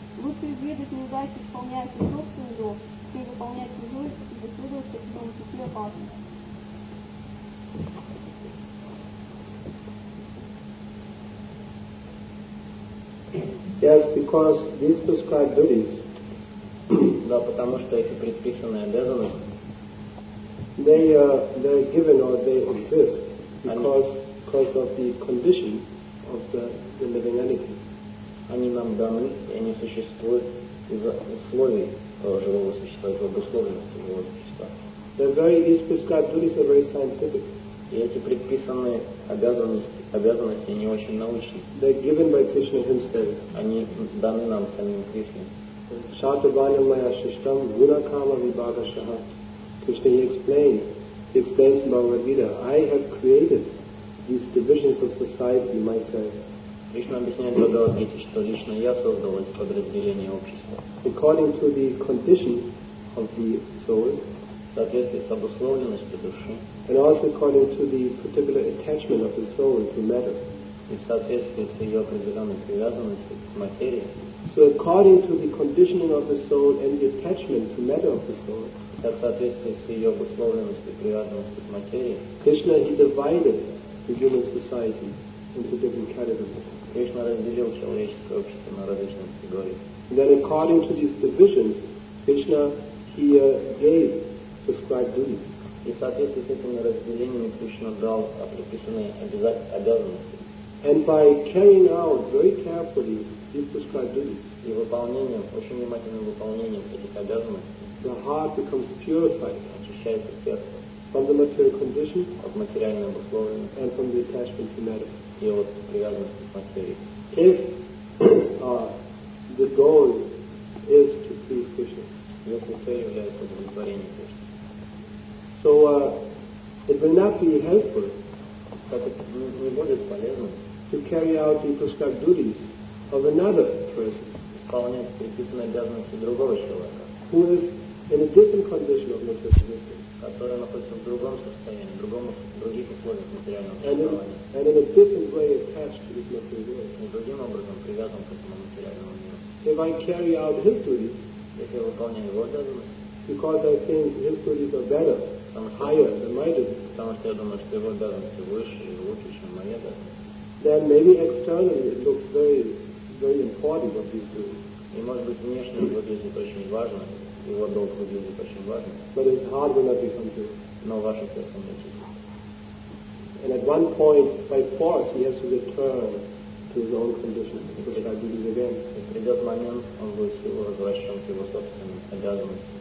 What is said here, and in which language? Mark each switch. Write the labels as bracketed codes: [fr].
[ru] Лучше изведать неудачи, исполняя свой собственный долг, чем выполнять чужой и заслуживаться в том числе опасности. [en] Yes, because these prescribed duties. [ru] Да, потому что эти предписанные обязанности. [en] They are given or they exist because of the condition of the living entity. [ru] Они нам даны, и они существуют из-за условий живого существа, из-за обусловленности живого существа. [en] They're very scientific. [ru] И эти предписанные обязанности не очень научны. [en] They're given by Krishna himself. [ru] Они даны нам самим Кришной. [sa] Шатабанамая Шиштам Гуракама Вибагашаха. [en] Krishna explains in Bhagavad Gita, I have created these divisions of society myself. [ru] Krishna объясняет в Bhagavad Gita, что лично я создал эти подразделения общества. [en] According to the condition of the soul, [ru] соответствует обусловленности души, [en] and also according to the particular attachment of the soul to matter, [ru] и соответствует с ее определенной привязанностью к материи. [en] So according to the conditioning of the soul and the attachment to matter of the soul, [ru] так в соответствии с ее обусловленностью и привязанностью к материи, [en] Krishna, he divided the human society into different categories. [ru] Кришна разделил человеческое общество на различные категории. [en] Then according to these divisions, Krishna, he gave prescribed duties. [ru] И в соответствии с этими разделениями Кришна дал предписанные обязанности. [en] And by carrying out very carefully these prescribed duties, [ru] и выполнением, очень внимательным выполнением этих обязанностей, [en] the heart becomes purified, [ru] очищается сердце, [en] from the material condition, [ru] от материальной обусловленности, [en] and from the attachment to matter, [ru] и от привязанности к материи. [en] If the goal is to please Krishna, [ru] если цель является удовлетворение Кришны, [en] so it will not be helpful, [ru] так это не будет полезным, [en] to carry out the prescribed duties of another person, [ru] исполнять предписанные обязанности другого человека, [en] who is in a different condition of material existence, [ru] который находится в другом состоянии, других условиях материального существования, [en] and in a different way attached to this material world, [ru] и другим образом привязан к этому материальному миру. [en] If I carry out his duties, [ru] если я выполняю его обязанности, [en] because I think his duties are better, higher than my duties, [ru] потому что я думаю, что его обязанности выше и лучше, чем мои обязанности, [en] then maybe externally it looks very important what these duties. [ru] И может быть внешне выглядит очень важно. его долг выглядит очень важным. [en] But his heart will not become true. [ru] Но ваше сердце не будет. [en] And at one point, by force, he has to return to his own condition, because I do this again. [ru] И придет момент, он будет силу возвращен к его собственным обязанностям.